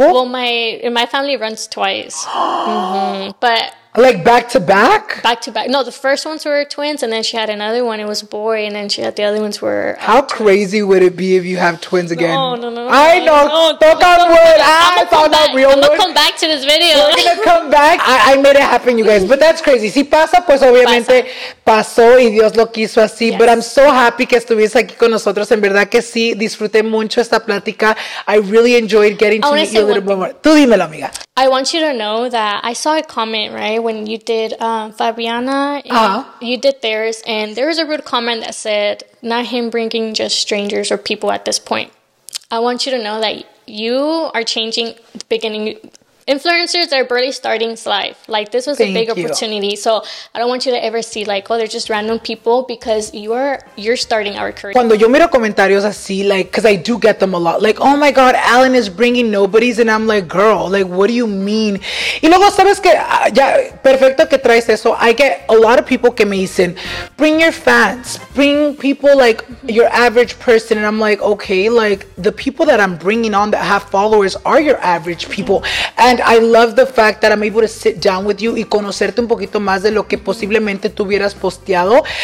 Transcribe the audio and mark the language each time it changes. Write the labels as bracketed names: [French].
[English] Well, my family runs twice. Mm-hmm. But like back to back? Back to back. No, the first ones were twins, and then she had another one. It was a boy, and then she had the other ones were... How crazy would it be if you have twins again? No. I know. Fuck on wood. I found out real wood. I'm going to come back to this video. We're going to come back. I made it happen, you guys. But that's crazy. [Spanish] Si pasa, pues obviamente pasó y Dios lo quiso así. [English] Yes. But I'm so happy [Spanish] que estuviste aquí con nosotros. En verdad que sí. Disfruté mucho esta plática. [English] I really enjoyed getting to meet you a little bit more. [Spanish] Tú dímelo, amiga. [English] I want you to know that I saw a comment, right? When you did Fabiana, you did theirs, and there was a rude comment that said, not him bringing just strangers or people at this point. I want you to know that you are changing the beginning. Influencers are barely starting life. Like, this was a big opportunity. So I don't want you to ever see like, oh, they're just random people, because you're starting our career. [Spanish] Cuando yo miro comentarios así, [English] like, because I do get them a lot. Like, oh my God, Alan is bringing nobodies. And I'm like, girl, like, what do you mean? [Spanish] Y luego sabes que, ya, perfecto que traes eso. [English] I get a lot of people [Spanish] que me dicen, [English] bring your fans, bring people like your average person. And I'm like, okay, like the people that I'm bringing on that have followers are your average people. And I love the fact that I'm able to sit down with you [Spanish] y conocerte un poquito más de lo que posiblemente tú hubieras posteado.